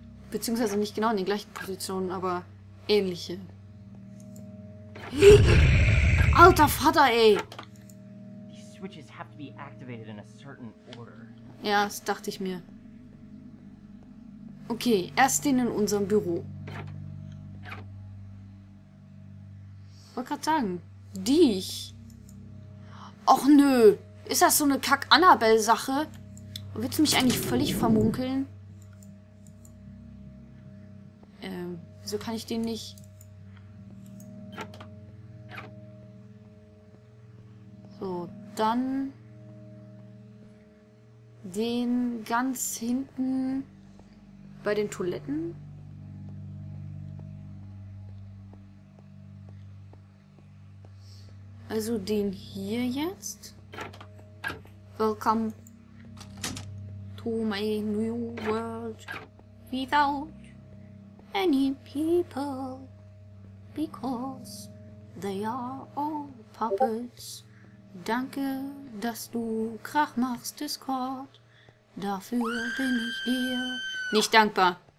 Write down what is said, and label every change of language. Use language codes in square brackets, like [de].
[de] Beziehungsweise nicht genau in den gleichen Positionen, aber ähnliche. Alter Vater, ey! [en] These switches have to be activated in a certain order. [de] Ja, das dachte ich mir. Okay, erst den in unserem Büro. Wollte gerade sagen, dich. Och nö, ist das so eine Kack-Annabelle-Sache? Willst du mich eigentlich völlig vermunkeln? Wieso kann ich den nicht? So, dann den ganz hinten bei den Toiletten. Also den hier jetzt. [en] Welcome to my new world without any people, because they are all puppets. [de] Danke, dass du Krach machst, Discord. Dafür bin ich dir nicht dankbar.